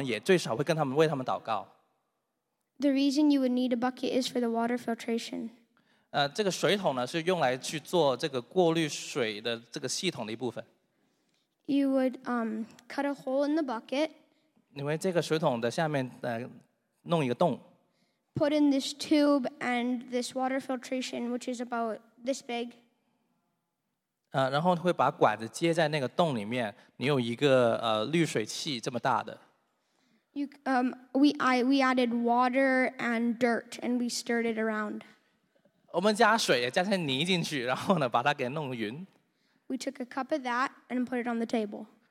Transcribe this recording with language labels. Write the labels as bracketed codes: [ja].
[zh] 我们要做的工作是需要一些的最基本的一些的工具的。那如果他们没有工具的话，我们也最少会跟他们为他们祷告。 [en] The reason you would need a bucket is for the water filtration. [zh] 这个水桶呢是用来去做这个过滤水的这个系统的一部分。 [en] You would cut a hole in the bucket. [zh] 因为这个水桶的下面弄一个洞。 [en] Put in this tube and this water filtration, which is about this big. [zh] 然后会把管子接在那个洞里面，你有一个滤水器这么大的。 [en] You we added water and dirt and we stirred it around. [zh] 我们加水，加些泥进去，然后呢，把它给弄匀。 [en] We took a cup of that and put it on the table.